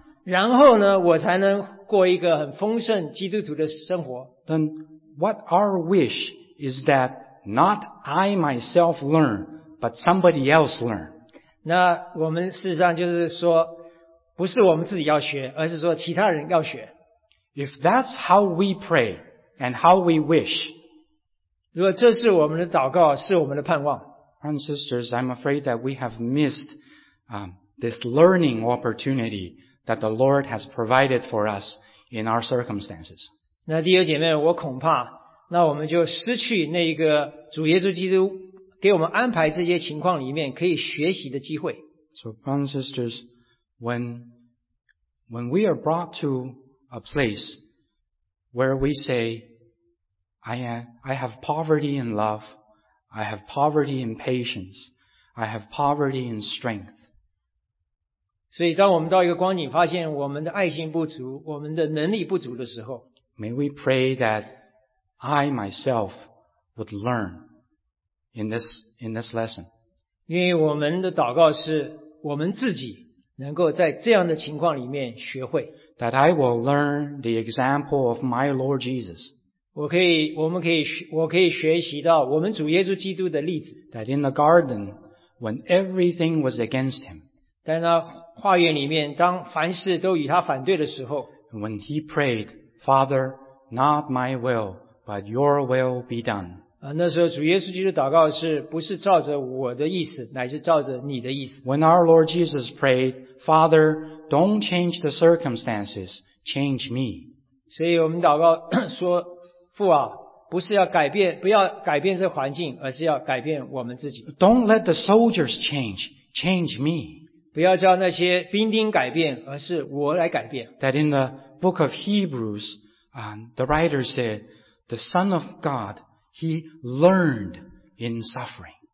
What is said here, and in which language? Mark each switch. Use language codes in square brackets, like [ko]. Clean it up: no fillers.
[zh] 然后呢，我才能过一个很丰盛基督徒的生活。 [en] Then what our wish is that not I myself learn, but somebody else learn. [zh] 那我们事实上就是说，不是我们自己要学，而是说其他人要学。 [en] If that's how we pray and how we wish, [zh] 如果这是我们的祷告，是我们的盼望。 [en] Friends and sisters, I'm afraid that we have missed this learning opportunity that the Lord has provided for us in our circumstances. [zh] 那弟兄姐妹，我恐怕，那我们就失去那一个主耶稣基督给我们安排这些情况里面可以学习的机会。 [en] So, brothers and sisters, when we are brought to a place where we say,I have poverty in love. I have poverty in patience. I have poverty in strength. [zh] 所以当我们到一个光景发现我们的爱心不足，我们的能力不足的时候， [en] May we pray that I myself would learn in this lesson. [zh] 因为我们的祷告是我们自己能够在这样的情况里面学会。 [en] That I will learn the example of my Lord Jesus. [zh] 我可以学习到我们主耶稣基督的例子。 [en] That in the garden, when everything was against him, [zh] 在那花园里面，当凡事都与他反对的时候 [en] ，When he prayed, Father, not my will, but Your will be done. [zh] 那时候主耶稣基督祷告是不是照着我的意思，乃是照着你的意思。 [en] When our Lord Jesus prayed, Father, don't change the circumstances, change me. [zh] 所以我们祷告说，父啊，不是要改变，不要改变这环境，而是要改变我们自己。 [en] Don't let the soldiers change, change me. [zh] 不要叫那些兵丁改变，而是我来改变。 [en] That in the book of Hebrews, the writer said, the Son of God, he learned in suffering.